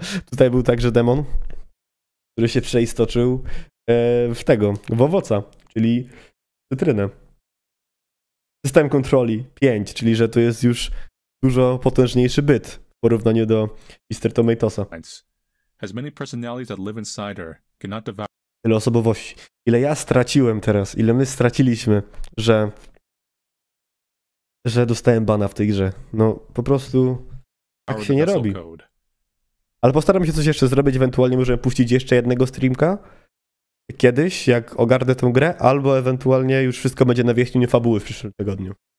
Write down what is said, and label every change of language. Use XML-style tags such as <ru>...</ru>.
<pl>Tutaj był także demon, który się przeistoczył w tego, w owoca, czyli cytrynę. System kontroli 5, czyli że to jest już dużo potężniejszy byt w porównaniu do Mr. Tomatosa.</pl> <en>As many personalities that live inside her cannot devour.</en> <pl>Tyle osobowości. Ile ja straciłem teraz, ile my straciliśmy, że dostałem bana w tej grze. No, po prostu tak się nie robi. Ale postaram się coś jeszcze zrobić, ewentualnie możemy puścić jeszcze jednego streamka kiedyś, jak ogarnę tę grę, albo ewentualnie już wszystko będzie na wierzchni fabuły w przyszłym tygodniu.</pl>